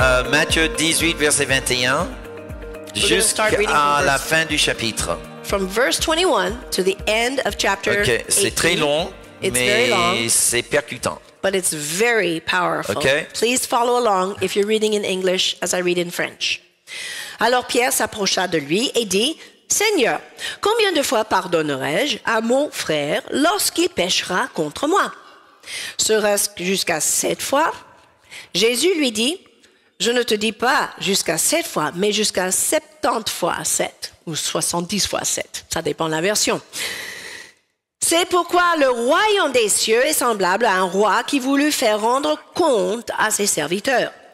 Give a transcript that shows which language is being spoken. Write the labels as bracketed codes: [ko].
[fr] Matthieu 18, verset 21, jusqu'à la fin du chapitre. [en] From verse 21 to the end of chapter 18. [fr] Okay, c'est très long, mais c'est percutant. [en] But it's very powerful. Okay. Please follow along if you're reading in English as I read in French. [fr] Alors Pierre s'approcha de lui et dit, « Seigneur, combien de fois pardonnerai-je à mon frère lorsqu'il péchera contre moi? Sera-ce jusqu'à sept fois? » Jésus lui dit, « Je ne te dis pas jusqu'à sept fois, mais jusqu'à 70 fois 7, ou 70 fois 7, ça dépend de la version. » C'est pourquoi le royaume des cieux est semblable à un roi qui voulut faire rendre compte à ses serviteurs.